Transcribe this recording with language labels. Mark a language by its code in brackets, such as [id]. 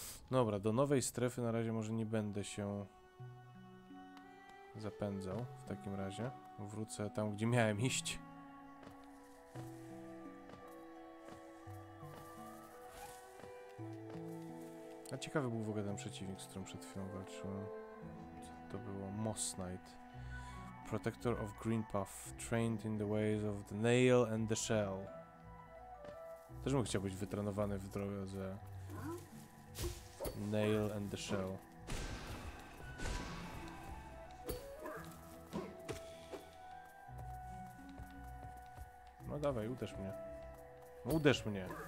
[pl] Dobra, do nowej strefy na razie może nie będę się zapędzał w takim razie. Wrócę tam, gdzie miałem iść. A ciekawy był w ogóle ten przeciwnik, z którym przed chwilą walczyłem. To było Moss Knight. [en] Protector of Greenpuff, trained in the ways of the nail and the shell. [pl] Też bym chciał być wytrenowany w drodze Nail and the Shell. No dawaj, uderz mnie. Uderz mnie!